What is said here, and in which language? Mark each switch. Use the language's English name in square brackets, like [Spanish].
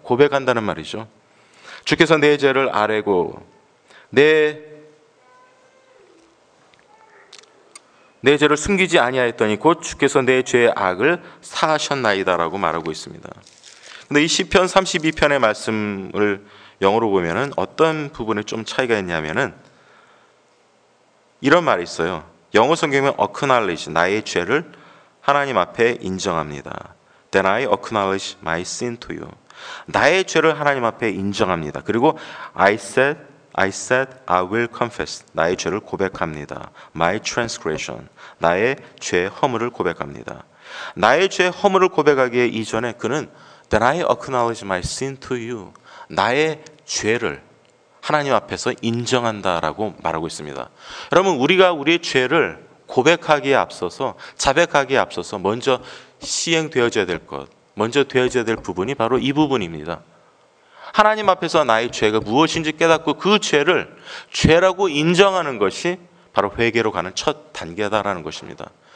[Korean] 고백한다는 말이죠. 주께서 내 죄를 아뢰고 내 죄를 숨기지 아니하였더니 곧 주께서 내 죄의 악을 사하셨나이다 라고 말하고 있습니다. 근데 이 시편 32편의 말씀을 영어로 보면은 어떤 부분에 좀 차이가 있냐면은 이런 말이 있어요. 영어 성경은 acknowledge, 나의 죄를 하나님 앞에 인정합니다. [English] Then I acknowledge my sin to you. [Korean] 나의 죄를 하나님 앞에 인정합니다. 그리고 [English] I said I will confess, [Korean] 나의 죄를 고백합니다. [English] My transgression, [Korean] 나의 죄 허물을 고백합니다. 나의 죄 허물을 고백하기에 이전에 그는 [English] Then I acknowledge my sin to you. [Korean] 나의 죄를 하나님 앞에서 인정한다라고 말하고 있습니다. 여러분, 우리가 우리의 죄를 고백하기에 앞서서, 자백하기에 앞서서 먼저 시행되어져야 될 것, 먼저 되어져야 될 부분이 바로 이 부분입니다. 하나님 앞에서 나의 죄가 무엇인지 깨닫고 그 죄를 죄라고 인정하는 것이 바로 회개로 가는 첫 단계다라는 것입니다.